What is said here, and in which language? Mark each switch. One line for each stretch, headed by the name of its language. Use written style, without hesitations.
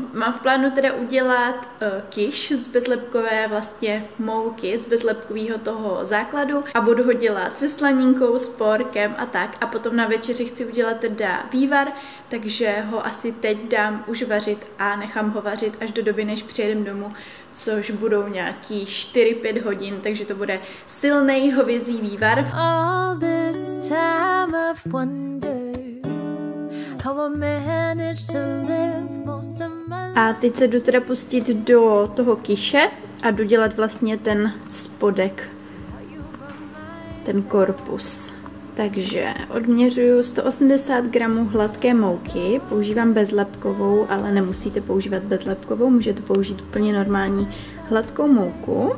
Czech: Mám v plánu teda udělat kiš z bezlepkové vlastně mouky, z bezlepkového toho základu a budu ho dělat se slaninkou, s porkem a tak. A potom na večeři chci udělat teda vývar, takže ho asi teď dám už vařit a nechám ho vařit až do doby, než přijedem domů, což budou nějaký 4-5 hodin, takže to bude silnej hovězí vývar.
English: All this time I've wondered how I managed to live most of my...
Czech: A teď se jdu teda pustit do toho kiše a jdu dělat vlastně ten spodek, ten korpus. Takže odměřuju 180 gramů hladké mouky, používám bezlepkovou, ale nemusíte používat bezlepkovou, můžete použít úplně normální hladkou mouku.